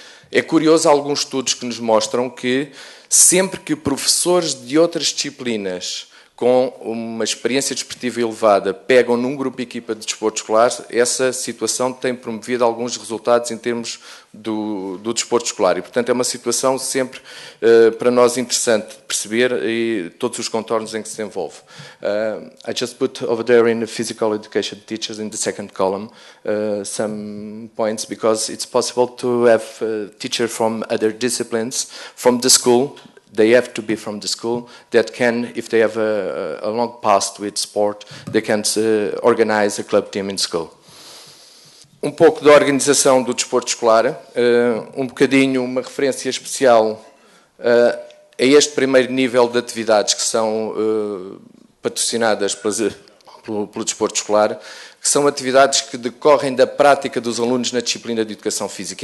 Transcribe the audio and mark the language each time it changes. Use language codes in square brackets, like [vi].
[pt] É curioso alguns estudos que nos mostram que sempre que professores de outras disciplinas com uma experiência desportiva elevada pegam num grupo de equipa de desporto escolar, essa situação tem promovido alguns resultados em termos do desporto escolar. E, portanto, é uma situação sempre para nós interessante perceber e todos os contornos em que se envolve. [en] I just put over there in the physical education teachers in the second column some points, because it's possible to have teachers from other disciplines from the school. They have to be from the school that can, if they have a long past with sport, they can organize a club team in school. [pt] Um pouco da organização do desporto escolar, um bocadinho, uma referência especial a este primeiro nível de atividades que são patrocinadas pelo desporto escolar, que são atividades que decorrem da prática dos alunos na disciplina de educação física.